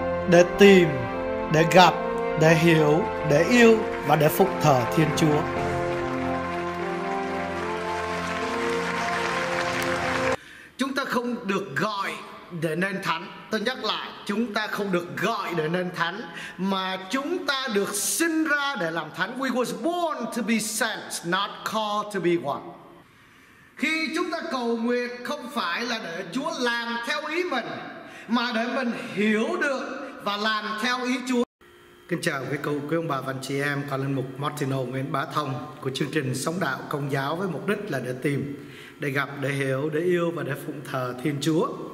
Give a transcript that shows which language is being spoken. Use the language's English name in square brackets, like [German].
[Vietnamese] để tìm, để gặp, để hiểu, để yêu và để phục thờ Thiên Chúa. Chúng ta không được gọi để nên thánh. Tôi nhắc lại, chúng ta không được gọi để nên thánh, mà chúng ta được sinh ra để làm thánh. [English] We was born to be sent, not called to be one. [Vietnamese] Khi chúng ta cầu nguyện không phải là để Chúa làm theo ý mình, mà để mình hiểu được và làm theo ý Chúa. Kính chào quý ông bà và anh chị em, con linh mục Martino Nguyễn Bá Thông của chương trình Sống Đạo Công Giáo, với mục đích là để tìm, để gặp, để hiểu, để yêu và để phụng thờ Thiên Chúa.